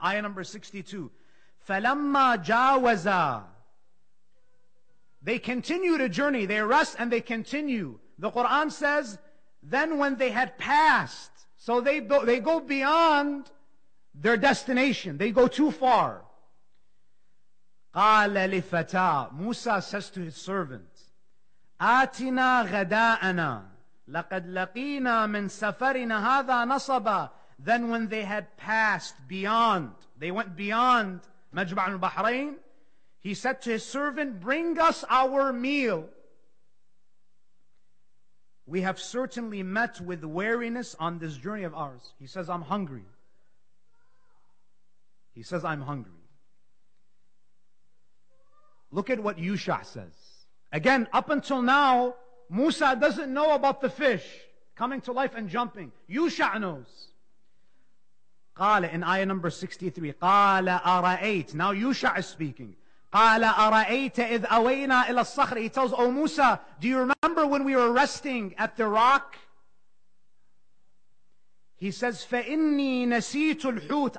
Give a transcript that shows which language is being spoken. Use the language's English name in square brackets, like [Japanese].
[English] Ayah number 62. [Arabic] فَلَمَّا جَاوَزَا. [English] They continue the journey. They rest and they continue. The Quran says, then when they had passed. So they go beyond their destination. They go too far. [Arabic] قَالَ لِفَتَا. [English] Musa says to his servant, [Arabic] آتِنَا غَدَاءَنَا لَقَدْ لَقِينَا مِنْ سَفَرِنَا هَذَا نَصَبًا. [English] Then when they had passed beyond, they went beyond Majma' al-Bahrain, he said to his servant, bring us our meal. We have certainly met with weariness on this journey of ours. He says, I'm hungry. He says, I'm hungry. Look at what Yusha says. Again, up until now, Musa doesn't know about the fish coming to life and jumping. Yusha knows. Qala, in ayah number 63, [Arabic] Qala ara'ayt. [English] Now Yusha is speaking. [Arabic] Qala ara'ayta idh awayna ila as-sakhra. [English] He tells, oh Musa, do you remember when we were resting at the rock? He says, [Arabic] فَإِنِّي نَسِيتُ الْحُوتِ.